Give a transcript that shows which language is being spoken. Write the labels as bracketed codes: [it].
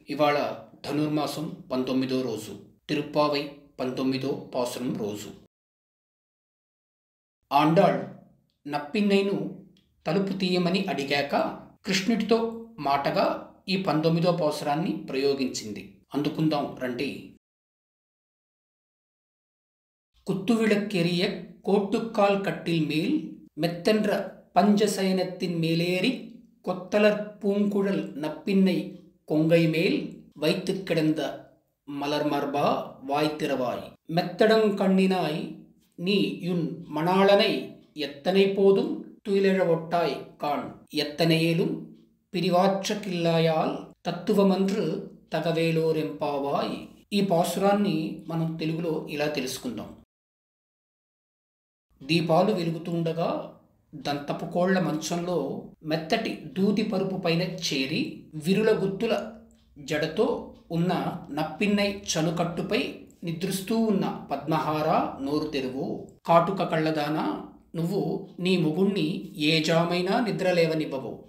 [te] ఇవాళ ధనుర్మాసం 19వ రోజు, తిరుప్పావై 19వ పాశురం రోజు. ఆండాళ్ నప్పిన్నైను తలుపు తీయమని అడిగాక కృష్ణుడితో మాటగా ఈ 19వ పాశురాన్ని ప్రయోగించింది. అందుకుందాం రండి. [ta] కుత్తువిళక్కెరియ కోట్టుక்கால் கட்டில் மேல் மெத்தென்ற பஞ்சசயனத்தின் மேலேறி கொத்தலர் பூங்குழல் நப்பின்னை கொங்கை மேல் வைத்து கிடந்த மலர் மர்பா வாய்த்திரவாய் மெத்தடம் கண்ணினாய் நீ யுன் மணாளனை எத்தனை போதும் துயிலிழவொட்டாய் காண் எத்தனையேலும் பிரிவாற்றக்கில்லாயால் தத்துவமன்று தகவேலோரெம்பாவாய். [te] ఈ పాశురాన్ని మనం తెలుగులో ఇలా తెలుసుకుందాం. దీపాలు వెలుగుతుండగా దంతపు కోళ్ల మంచంలో మెత్తటి దూది పరుపు పైన చేరి విరుల గుత్తుల జడతో ఉన్న నప్పిన్నై చనుకట్టుపై నిద్రిస్తూ ఉన్న పద్మహారా నోరు తెరువు కాటుక కళ్ళదానా, నువ్వు నీ ముగుణ్ణి ఏ జామైనా నిద్రలేవనివ్వవు.